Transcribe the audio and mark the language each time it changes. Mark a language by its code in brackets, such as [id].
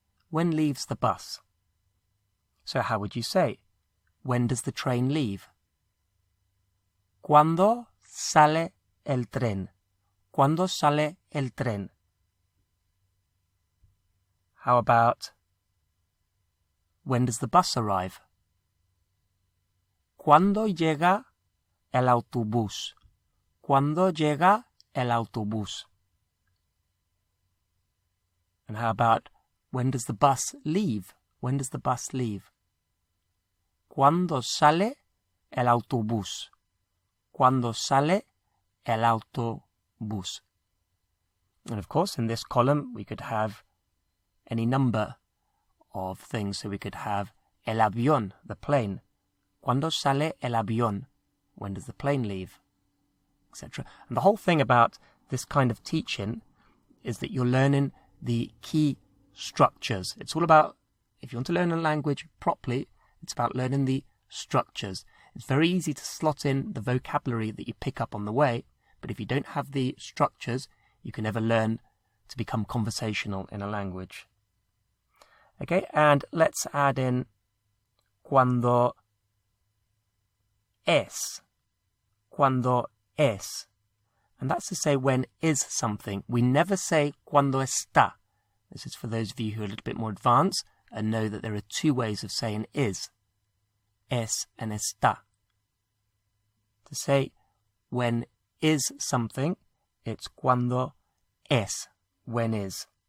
[en] When leaves the bus? So how would you say, when does the train leave? [es] ¿Cuándo sale el tren? ¿Cuándo sale el tren? [en] How about, when does the bus arrive? [es] ¿Cuándo llega el autobús? ¿Cuándo llega el autobús? [en] And how about, when does the bus leave? When does the bus leave? [es] ¿Cuándo sale el autobús? ¿Cuándo sale el autobús? [en] And of course, in this column, we could have any number of things. So we could have [es] el avión, [en] the plane. [es] ¿Cuándo sale el avión? [en] When does the plane leave? Etc. And the whole thing about this kind of teaching is that you're learning the key structures. It's all about, if you want to learn a language properly, it's about learning the structures. It's very easy to slot in the vocabulary that you pick up on the way, but if you don't have the structures, you can never learn to become conversational in a language. Okay, and let's add in cuando es. Cuando es. And that's to say when is something. We never say cuando está. This is for those of you who are a little bit more advanced and know that there are two ways of saying is. Es and está. To say when is something, it's cuando es. When is.